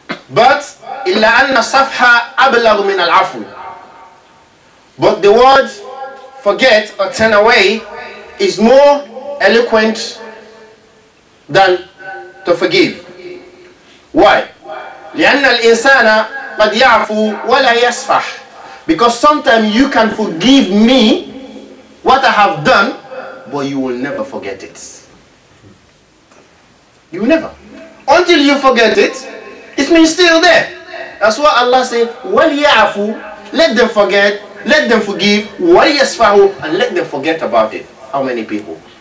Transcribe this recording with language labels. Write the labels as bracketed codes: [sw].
[ar] But illa anna safha ablagh min al-afu. [en] But the word forget or turn away is more eloquent than to forgive. Why? [ar] لأن الإنسان قد يعفو ولا يصفح. [en] Because sometimes you can forgive me what I have done, but you will never forget it. You will never. until you forget it, it means still there. That's why Allah say, [ar] وَلْيَعْفُ, [en] let them forget, let them forgive, [ar] وَلْيَسْفَهُ, [en] and let them forget about it. How many people?